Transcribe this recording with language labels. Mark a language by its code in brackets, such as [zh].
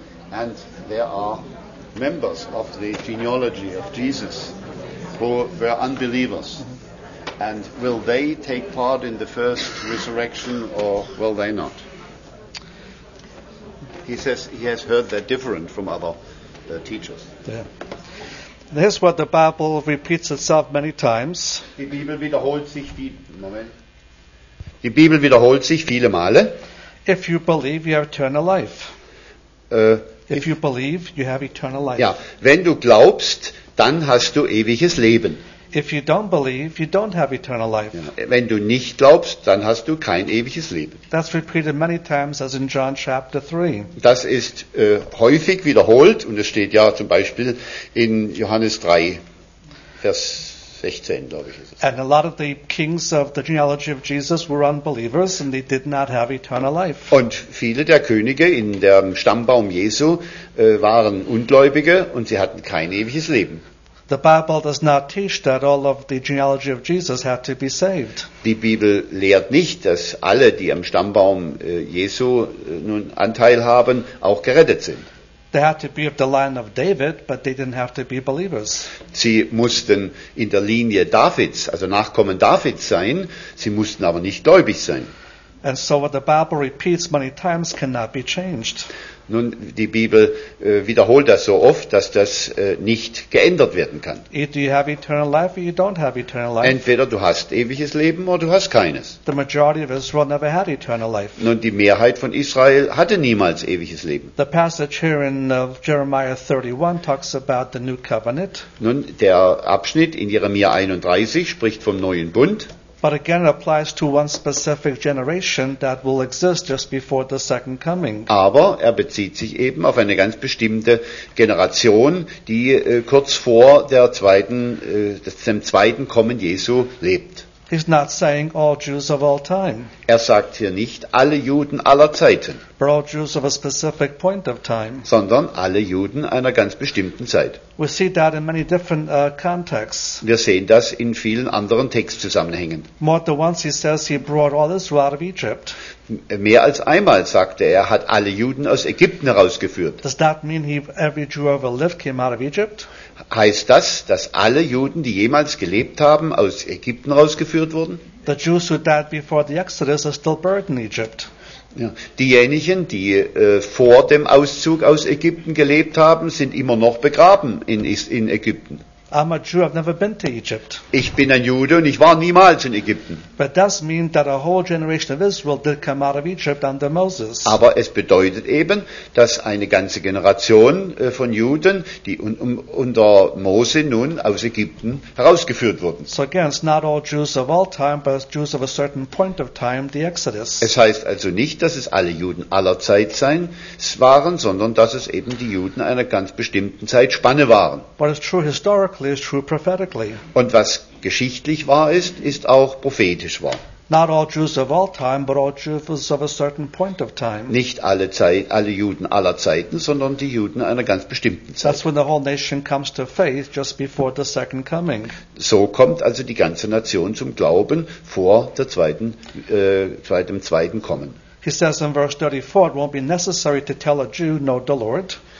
[en] And there are members of the genealogy of Jesus who were unbelievers. And will they take part in the first resurrection or will they not? He says he has heard that different from other teachers. Yeah. This is what the Bible repeats itself many times. [de] Die Bibel wiederholt sich Die Bibel wiederholt sich viele Male. [en] If you believe, you have eternal life. If you believe, you have eternal life. [de] Ja, wenn du glaubst, dann hast du ewiges Leben. [en] If you don't believe, you don't have eternal life. [de] Ja, wenn du nicht glaubst, dann hast du kein ewiges Leben. [en] That's repeated many times, as in John chapter 3. [de] Das ist häufig wiederholt und es steht ja zum Beispiel in Johannes 3, Vers 16, glaube ich. Ist es. [en] And a lot of the kings of the genealogy of Jesus were unbelievers and they did not have eternal life. [de] Und viele der Könige in dem Stammbaum Jesu waren Ungläubige und sie hatten kein ewiges Leben. [en] The Bible does not teach that all of the genealogy of Jesus had to be saved. [de] Die Bibel lehrt nicht, dass alle, die am Stammbaum Jesu nun Anteil haben, auch gerettet sind. [en] They had to be of the line of David, but they didn't have to be believers. [de] Sie mussten in der Linie Davids, also Nachkommen Davids sein, sie mussten aber nicht gläubig sein. [en] And so what the Bible repeats many times cannot be changed. [de] Nun, die Bibel wiederholt das so oft, dass das nicht geändert werden kann. [en] Either you have eternal life or you don't have eternal life. [de] Entweder du hast ewiges Leben oder du hast keines. [en] The majority of Israel never had eternal life. [de] Nun, die Mehrheit von Israel hatte niemals ewiges Leben. [en] The passage here in Jeremiah 31 talks about the new covenant. [de] Nun, der Abschnitt in Jeremia 31 spricht vom neuen Bund. [en] But again, it applies to one specific generation that will exist just before the second coming. [de] Aber er bezieht sich eben auf eine ganz bestimmte Generation, die kurz vor dem zweiten Kommen Jesu lebt. [en] He's not saying all Jews of all time. [de] Er sagt hier nicht alle Juden aller Zeiten. [en] But all Jews of a specific point of time. [de] Sondern alle Juden einer ganz bestimmten Zeit. [en] We see that in many different contexts. [de] Wir sehen das in vielen anderen Textzusammenhängen. [en] More than once he says he brought all Israel out of Egypt. [de] Mehr als einmal sagte er, hat alle Juden aus Ägypten herausgeführt. [en] Does that mean every Jew ever lived came out of Egypt? [de] Heißt das, dass alle Juden, die jemals gelebt haben, aus Ägypten rausgeführt wurden? [en] The Jews who died before the Exodus are still buried in Egypt. [de] Ja. Diejenigen, die vor dem Auszug aus Ägypten gelebt haben, sind immer noch begraben in Ägypten. [en] I'm a Jew, I've never been to Egypt. [de] Ich bin ein Jude und ich war niemals in Ägypten. [en] But that means that a whole generation of Israel did come out of Egypt under Moses. [de] Aber es bedeutet eben, dass eine ganze Generation von Juden, die unter Mose nun aus Ägypten herausgeführt wurden. [en] So again, it's not all Jews of all time, but Jews of a certain point of time, the Exodus. [de] Es heißt also nicht, dass es alle Juden aller Zeit sein waren, sondern dass es eben die Juden einer ganz bestimmten Zeitspanne waren. [en] But it's true historically. Is true prophetically. [de] Und was geschichtlich wahr ist, ist auch prophetisch wahr. [en] Not all Jews of all time, but all Jews of a certain point of time. [de] Nicht alle Juden aller Zeiten, sondern die Juden einer ganz bestimmten Zeit. [en] That's when the whole nation comes to faith just before the second coming. [de] So kommt also die ganze Nation zum Glauben vor der zweiten Kommen. [en] He says in verse 34, it won't be necessary to tell a Jew, know the Lord.